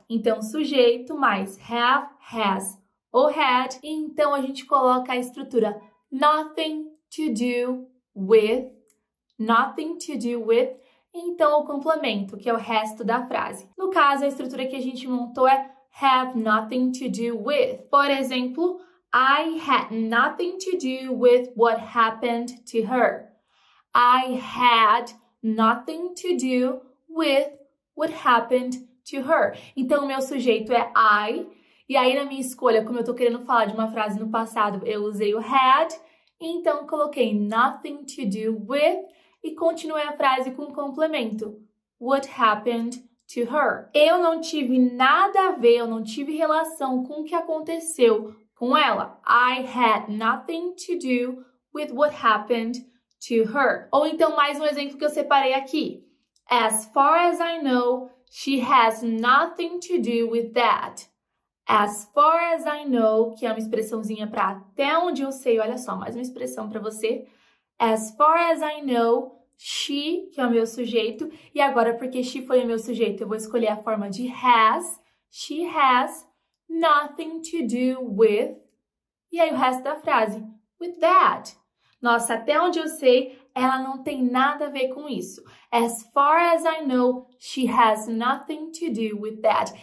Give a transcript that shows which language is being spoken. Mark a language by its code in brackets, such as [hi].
[pt] Então, sujeito mais have, has ou had. E então, a gente coloca a estrutura [en] nothing to do with. Nothing to do with. [pt] E então, o complemento, que é o resto da frase. No caso, a estrutura que a gente montou é [en] have nothing to do with. [pt] Por exemplo, [en] I had nothing to do with what happened to her. I had nothing to do with what happened to her. [pt] Então, o meu sujeito é I. E aí, na minha escolha, como eu tô querendo falar de uma frase no passado, eu usei o had. Então, coloquei [en] nothing to do with. [pt] E continuei a frase com um complemento. [en] What happened to her? [pt] Eu não tive nada a ver, eu não tive relação com o que aconteceu com ela. [en] I had nothing to do with what happened to her. [pt] Ou então, mais um exemplo que eu separei aqui. [en] As far as I know, she has nothing to do with that. As far as I know, [pt] que é uma expressãozinha para até onde eu sei, olha só, mais uma expressão para você. [en] As far as I know, she, [pt] que é o meu sujeito, e agora porque she foi o meu sujeito, eu vou escolher a forma de has. [en] She has nothing to do with. [pt] E aí o resto da frase, [en] with that. [pt] Nossa, até onde eu sei, ela não tem nada a ver com isso. [en] As far as I know, she has nothing to do with that.